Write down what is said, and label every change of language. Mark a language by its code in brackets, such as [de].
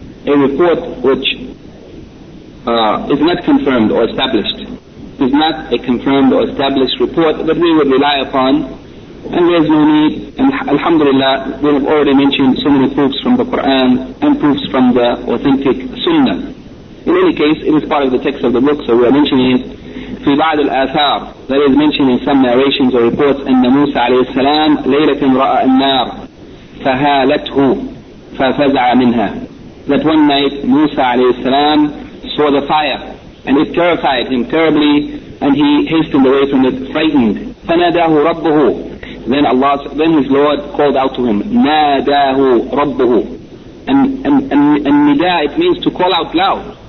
[en] a report which is not confirmed or established, is not a confirmed or established report that we would rely upon, and there is no need, and alhamdulillah, we have already mentioned so many proofs from the Quran and proofs from the authentic Sunnah. In any case, it is part of the text of the book, so we are mentioning it. [ar] في بعض الآثار, [en] that is mentioned in some narrations or reports, [ar] أن موسى عليه السلام ليلة رأى النار فهالته ففزع منها. [en] That one night موسى عليه السلام saw the fire, and it terrified him terribly, and he hastened away from it, frightened. [ar] فناداه ربه. [en] Then Allah, then his Lord called out to him. [ar] ناداه ربه. [en] And النداء, it means to call out loud.